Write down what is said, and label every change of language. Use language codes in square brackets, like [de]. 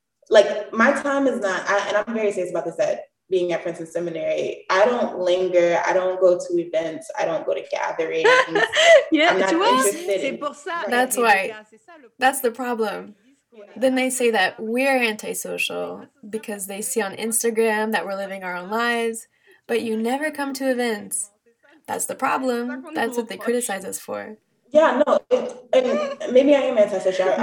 [en] Like, my time is not, I'm very serious about this, that being at Princeton Seminary, I don't linger, I don't go to events, I don't go to gatherings. [fr] Yeah, tu vois, c'est pour ça. [en] That's why, that's the problem. Then they say that we're antisocial because they see on Instagram that we're living our own lives, but you never come to events. That's the problem. That's what they criticize us for. Yeah, no, maybe I am antisocial.